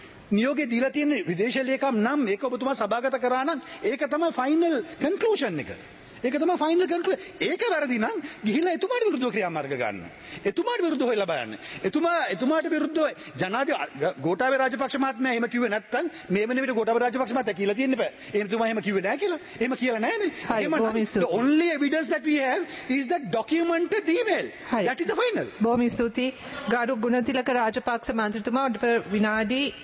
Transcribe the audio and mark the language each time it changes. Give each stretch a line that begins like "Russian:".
Sinhala: නියෝගේ දීලා තියෙන්නේ විදේශ ලේකම් නම් ඒක ඔබතුමා සභාගත කරා නම් ඒක තමයි ෆයිනල් කන්ක්ලූෂන් එක. ඒක තමයි ෆයිනල් කන්ක්ලූෂන්. ඒක වැරදි නම් ගිහිල්ලා එතුමාට විරුද්ධව ක්‍රියාමාර්ග ගන්න. එතුමාට විරුද්ධව හොයලා බලන්න. එතුමාට විරුද්ධව ජනාධිපති ගෝඨාභය රාජපක්ෂ මහත්මයා එහෙම කිව්වේ නැත්නම් මේ වෙන විදිහට ගෝඨාභය රාජපක්ෂ මහත්මයා කියලා තියෙන්න බෑ. එහෙම එතුමා එහෙම කිව්වේ නැහැ කියලා. එහෙම කියලා නැහැ නේ.
English: The only evidence that we have is that documented email. That is the final.
Sinhala: බොහොම ස්තුතියි. ගරු ගුණතිලක රාජපක්ෂ මන්ත්‍රීතුමා ඔබට විනාඩි